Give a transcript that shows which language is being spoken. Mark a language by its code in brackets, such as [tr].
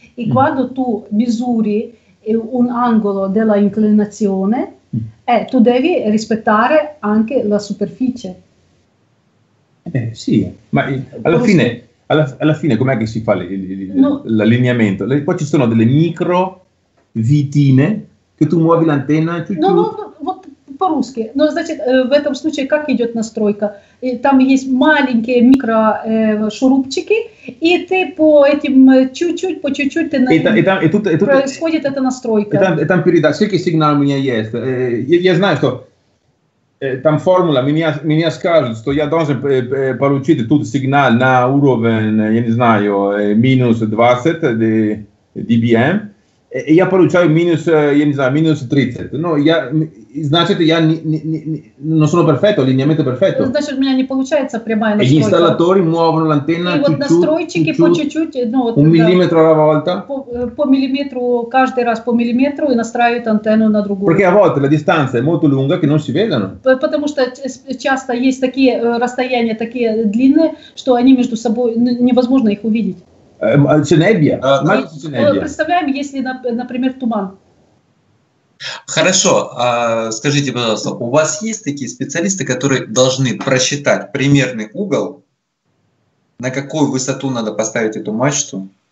[it] E quando tu misuri un angolo della inclinazione, tu devi rispettare anche la superficie. Sì, ma alla fine... Alla fine com'è che si fa l'allineamento? No. Poi ci sono delle micro vitine che tu muovi l'antenna. [ru] По-русски. Но значит, в этом случае как идет настройка? Там есть маленькие микро шурупчики, и ты по этим чуть-чуть, по чуть-чуть происходит эта настройка. И там передача. Сколько сигнал у меня есть? Я знаю, что там формула, меня скажут, что я должен получить тут сигнал на уровень, я не знаю, минус 20 dBm, и я получаю минус, я не знаю, минус 30. Но я, значит, я не [it] sono perfetto, [ru] линейно perfetto. Значит, у меня не получается прямая настройка. И инсталляторы мовят антенну настройщики по чуть-чуть, миллиметр раз по миллиметру, каждый раз по миллиметру и настраивают антенну на другую. [it] Perché a volte la distanza è molto lunga che non si vedono. [ru] Потому что часто есть такие расстояния, такие длинные, что они между собой невозможно их увидеть. Представляем, если, например, туман. Хорошо, скажите, пожалуйста, у вас есть такие специалисты, которые должны просчитать примерный угол, на какую высоту надо поставить эту мачту?